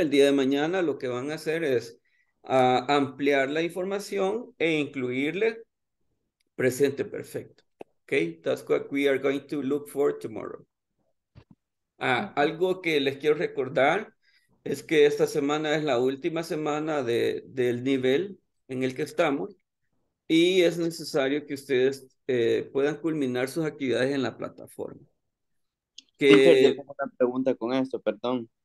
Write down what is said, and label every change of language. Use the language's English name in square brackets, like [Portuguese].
[Spanish] El día de mañana lo que van a hacer es ampliar la información e incluirle presente perfecto. [English] Okay, that's what we are going to look for tomorrow. [Spanish] Algo que les quiero recordar es que esta semana es la última semana del nivel en el que estamos y es necesario que ustedes puedan culminar sus actividades en la plataforma. Que, teacher, yo tengo una pregunta con esto, perdón.